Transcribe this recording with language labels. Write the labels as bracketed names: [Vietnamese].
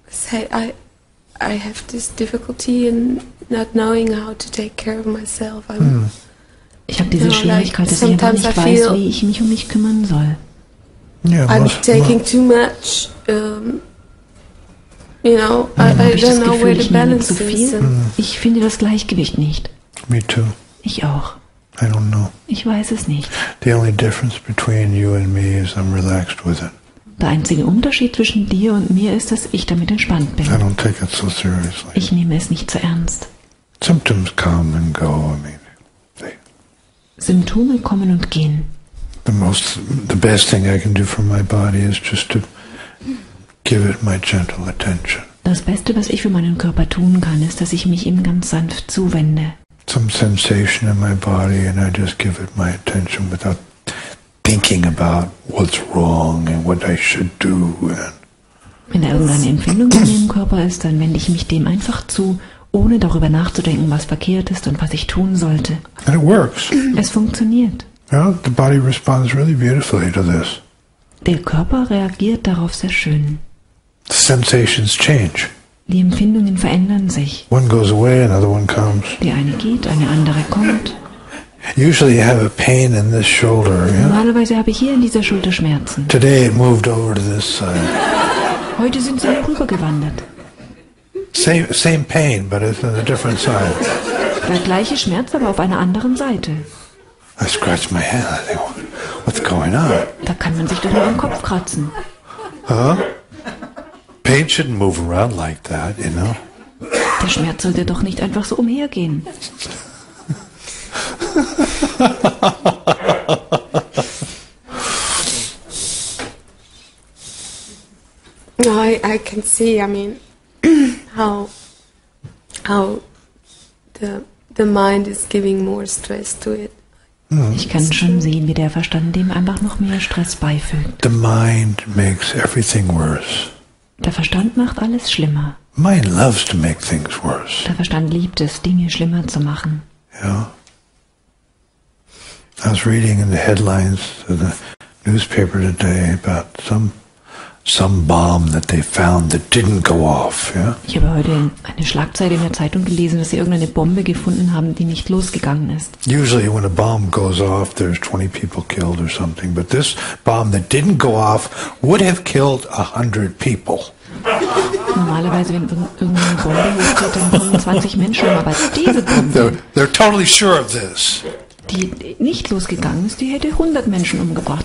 [English] Hey, I have this difficulty in not knowing how to take care of myself. [German] Ich habe diese Schwierigkeit, dass ich nicht weiß, wie ich mich um mich kümmern soll. Yeah, [English] I'm taking too much. You know, I don't know where the balance is. [German] Ich finde das Gleichgewicht nicht. [English] Me too. [German] Ich auch. [English] I don't know. [German] Ich weiß es nicht. [English] The only difference between you and me is I'm relaxed with it. [German] Der einzige Unterschied zwischen dir und mir ist, dass ich damit entspannt bin. [English] I don't take it so seriously. [German] Ich nehme es nicht so ernst. [English] Symptoms come and go, I mean. [German] Symptome kommen und gehen. [English] The best thing I can do for my body is just to give it my gentle attention. [German] Das Beste, was ich für meinen Körper tun kann, ist, dass ich mich ihm ganz sanft zuwende. [English] Some sensation in my body and I just give it my attention without thinking about what's wrong and what I should do. [German] Wenn da irgendeine Empfindung in meinem Körper ist, dann wende ich mich dem einfach zu, ohne darüber nachzudenken, was verkehrt ist und was ich tun sollte. [English] And it works. [German] Es funktioniert. [English] Yeah, the body responds really beautifully to this. [German] Der Körper reagiert darauf sehr schön. [English] Sensations change. [German] Die Empfindungen verändern sich. [English] One goes away, another one comes. [German] Die eine geht, eine andere kommt. [English] Usually you have a pain in this shoulder, yeah? [German] Normalerweise habe ich hier in dieser Schulter Schmerzen. [English] Today it moved over to this side. [German] Heute sind sie rübergewandert. [English] Same pain, but it's on a different side. [German] Der gleiche Schmerz, aber auf einer anderen Seite. [English] I scratch my head. I think, what's going on? [German] Da kann man sich doch nur am Kopf kratzen. Huh? [English] Pain shouldn't move around like that, you know? [German] Der Schmerz sollte doch nicht einfach so umhergehen. [English] No, I can see, I mean, how the mind is giving more stress to it. [German] Ich kann schon sehen, wie der Verstand dem einfach noch mehr Stress beifügt. [English] The mind makes everything worse. [German] Der Verstand macht alles schlimmer. [English] Mind loves to make things worse. [German] Der Verstand liebt es, Dinge schlimmer zu machen. Yeah. [English] I was reading in the headlines of the newspaper today about some bomb that they found that didn't go off. Yeah. [German] Ich habe heute eine Schlagzeile in der Zeitung gelesen, dass sie irgendeine Bombe gefunden haben, die nicht losgegangen ist. [English] Usually when a bomb goes off, there's 20 people killed or something. But this bomb that didn't go off would have killed 100 people. [German] Normalerweise, wenn irgendeine Bombe losgeht, dann kommen 20 Menschen um. Aber diese Bombe... [English] They're totally sure of this. [German] Die nicht losgegangen ist, die hätte 100 Menschen umgebracht.